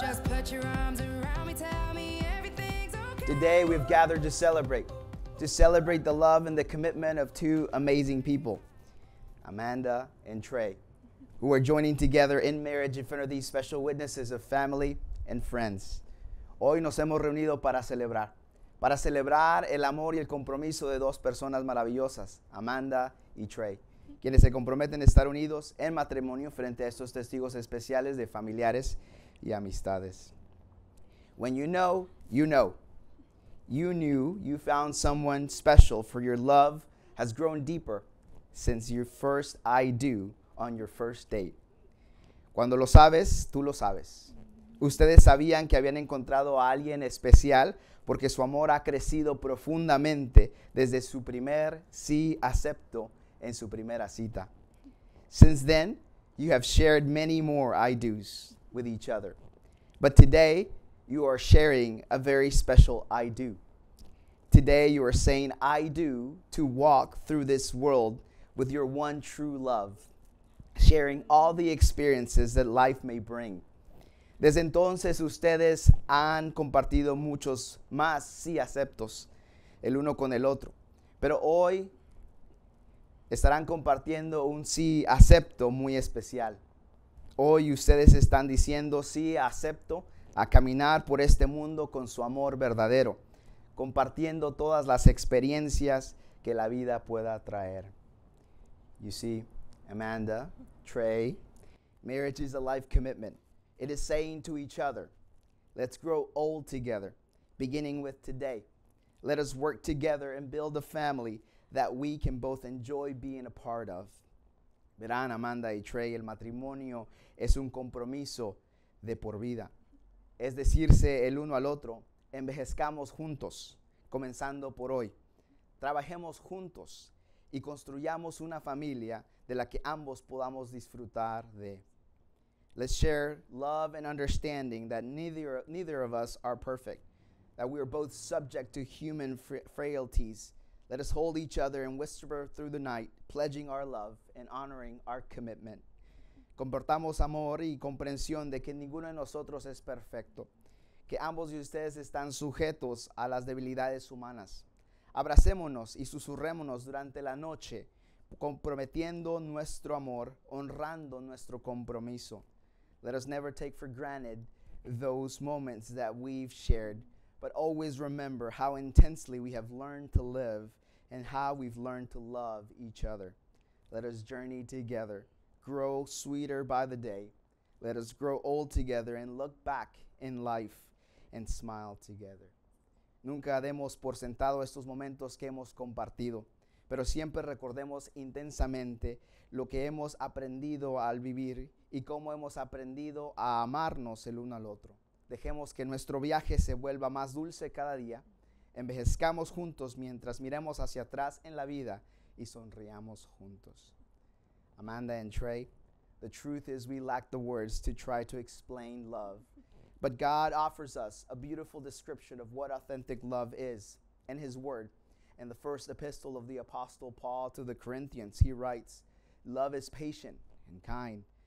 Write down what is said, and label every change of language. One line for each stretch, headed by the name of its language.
English: Just put your arms around me, tell me everything's okay. Today, we've gathered to celebrate. To celebrate the love and the commitment of two amazing people, Amanda and Trey, who are joining together in marriage in front of these special witnesses of family and friends.
Spanish: Hoy nos hemos reunido para celebrar el amor y el compromiso de dos personas maravillosas, Amanda y Trey, quienes se comprometen a estar unidos en matrimonio frente a estos testigos especiales de familiares y amistades.
English: When you know, you know. You knew you found someone special, for your love has grown deeper since your first I do on your first date.
Spanish: Cuando lo sabes, tú lo sabes. Ustedes sabían que habían encontrado a alguien especial porque su amor ha crecido profundamente desde su primer sí acepto en su primera cita.
English: Since then, you have shared many more I do's with each other. But today, you are sharing a very special I do. Today, you are saying I do to walk through this world with your one true love, sharing all the experiences that life may bring.
Spanish: Desde entonces, ustedes han compartido muchos más sí aceptos el uno con el otro. Pero hoy estarán compartiendo un sí acepto muy especial. Hoy ustedes están diciendo sí acepto a caminar por este mundo con su amor verdadero, compartiendo todas las experiencias que la vida pueda traer.
English: You see, Amanda, Trey, marriage is a life commitment. It is saying to each other, let's grow old together, beginning with today. Let us work together and build a family that we can both enjoy being a part of.
Spanish: Verán, Amanda y Trey, el matrimonio es un compromiso de por vida. Es decirse el uno al otro, envejezcamos juntos, comenzando por hoy. Trabajemos juntos y construyamos una familia de la que ambos podamos disfrutar de.
English: Let's share love and understanding that neither of us are perfect, that we are both subject to human frailties. Let us hold each other and whisper through the night, pledging our love and honoring our commitment.
Spanish: Compartamos amor y comprensión de que ninguno de nosotros es perfecto, que ambos de ustedes están sujetos a las debilidades humanas. Abracémonos y susurrémonos durante la noche, comprometiendo nuestro amor, honrando nuestro compromiso.
English: Let us never take for granted those moments that we've shared, but always remember how intensely we have learned to live and how we've learned to love each other. Let us journey together, grow sweeter by the day. Let us grow old together and look back in life and smile together.
Spanish: Nunca demos por sentado estos momentos que hemos compartido, pero siempre recordemos intensamente lo que hemos aprendido al vivir y cómo hemos aprendido a amarnos el uno al otro. Dejemos que nuestro viaje se vuelva más dulce cada día. Envejezcamos juntos mientras miremos hacia atrás en la vida y sonriamos juntos.
English: Amanda and Trey, the truth is we lack the words to try to explain love. But God offers us a beautiful description of what authentic love is in His Word. In the first epistle of the Apostle Paul to the Corinthians, he writes, love is patient and kind.